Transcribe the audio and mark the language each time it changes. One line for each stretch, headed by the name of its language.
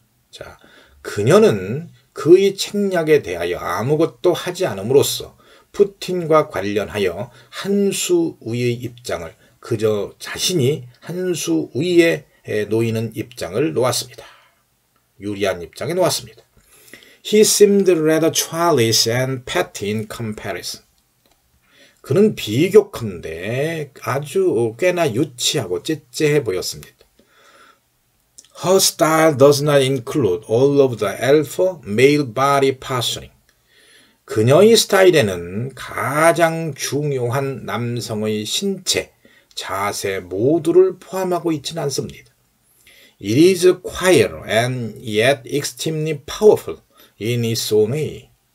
Korean: 자, 그녀는 그의 책략에 대하여 아무것도 하지 않음으로써 푸틴과 관련하여 한수위의 입장을 그저 자신이 한수위에 놓이는 입장을 놓았습니다. 유리한 입장에 놓았습니다.
English: He seemed rather churlish and petty in comparison.
Korean: 그는 비교컨대 아주 꽤나 유치하고 째째해 보였습니다.
English: Her style does not include all of the alpha male body posturing.
Korean: 그녀의 스타일에는 가장 중요한 남성의 신체, 자세 모두를 포함하고 있지는 않습니다.
English: It is quiet and yet extremely powerful. In its own way.